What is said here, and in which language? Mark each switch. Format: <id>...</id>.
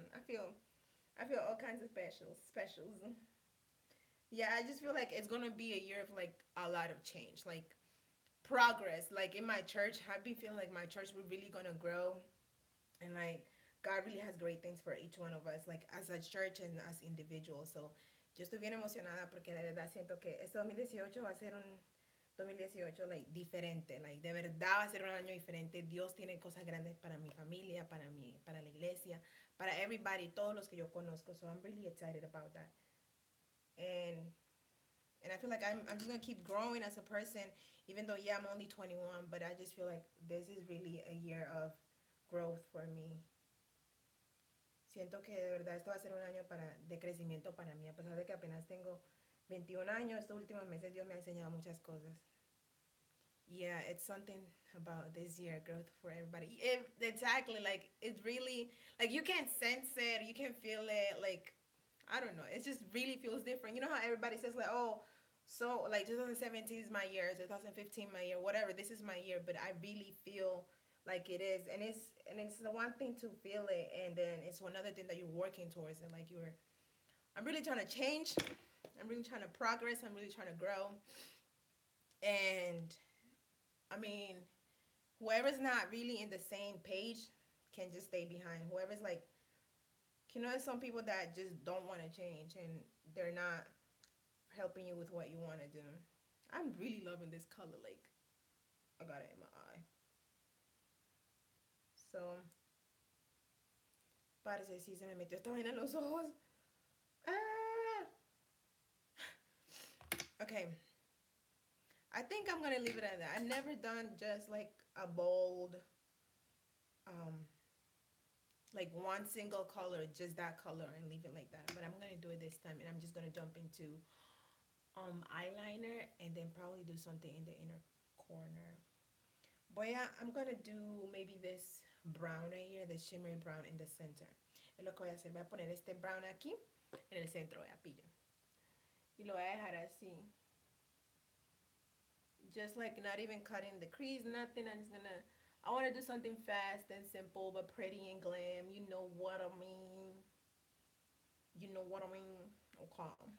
<en>I feel all kinds of specials. Yeah, I just feel like it's gonna be a year of like a lot of change, like progress. Like in my church, I've been feeling like my church we're really gonna grow and like God really has great things for each one of us, like as a church and as individuals.</en> <es>So, yo estoy bien emocionada porque de verdad siento que este 2018 va a ser un 2018 like diferente, like de verdad va a ser un año diferente. Dios tiene cosas grandes para mi familia, para mí, para la iglesia, para everybody, todos los que yo conozco.</es> <en>So I'm really excited about that. And I feel like I'm just gonna keep growing as a person, even though yeah, I'm only 21, but I just feel like this is really a year of growth for me.</en> <es>Siento que de verdad esto va a ser un año de crecimiento para mí, a pesar de que apenas tengo 21 años. Estos últimos meses Dios me ha enseñado muchas cosas.</es> <en>Yeah, it's something about this year growth for everybody. Exactly, like it's really like you can't sense it, you can feel it. Like I don't know, it just really feels different. You know how everybody says like, oh, so like 2017 is my year, 2015 my year, whatever. This is my year, but I really feel like it is, and it's the one thing to feel it, and then it's another thing that you're working towards, and like you're, I'm really trying to change, I'm really trying to progress, I'm really trying to grow, and I mean, whoever's not really in the same page can just stay behind. Whoever's like, you know, some people that just don't want to change, and they're not helping you with what you want to do. I'm really loving this color, like I got it in my eye.</en> <es>So, parece si sí, se me metió esta vaina en los ojos.</es> <en>Okay. I think I'm gonna leave it at that. I've never done just like a bold like one single color, just that color, and leave it like that. But I'm gonna do it this time, and I'm just gonna jump into eyeliner, and then probably do something in the inner corner. But yeah, I'm gonna do maybe this brown right here, the shimmery brown in the center.</en> <es>Y lo que voy a hacer, voy a poner este brown aquí en el centro de la pilla. Y lo voy a dejar así.</es> <en>Just like not even cutting the crease, nothing. I'm just gonna, I wanna do something fast and simple, but pretty and glam. You know what I mean. You know what I mean. Okay.</en>